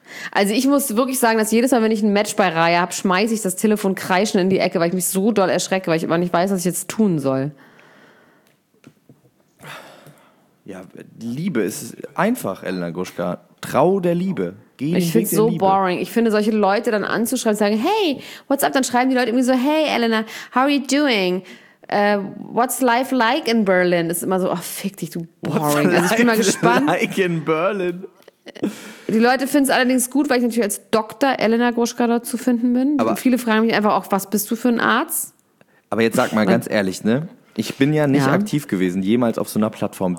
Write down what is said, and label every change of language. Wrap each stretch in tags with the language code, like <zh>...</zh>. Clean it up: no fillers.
<de>Also ich muss wirklich sagen, dass jedes Mal, wenn ich ein Match bei Raya habe, schmeiße ich das Telefon kreischend in die Ecke, weil ich mich so doll erschrecke, weil ich immer nicht weiß, was ich jetzt tun soll. Ja, Liebe ist einfach, Elena Gruschka. Trau der Liebe. Geh ich finde es so boring. Ich finde, solche Leute dann anzuschreiben und sagen,</de> <en>hey, what's up?</en> <de>Dann schreiben die Leute irgendwie so,</de> <en>hey Elena, how are you doing? What's life like in Berlin?</en> <de>Das ist immer so, oh, fick dich, du boring.</de> <en>What's</en> <de>also ich bin mal gespannt.</de> <en>What's like in Berlin?</en> <de>Die Leute finden es allerdings gut, weil ich natürlich als Dr. Elena Gruschka dort zu finden bin. Aber viele fragen mich einfach auch, was bist du für ein Arzt? Aber jetzt sag mal ganz ehrlich, ne? Ich bin ja nicht aktiv gewesen, jemals auf so einer Plattform.</de>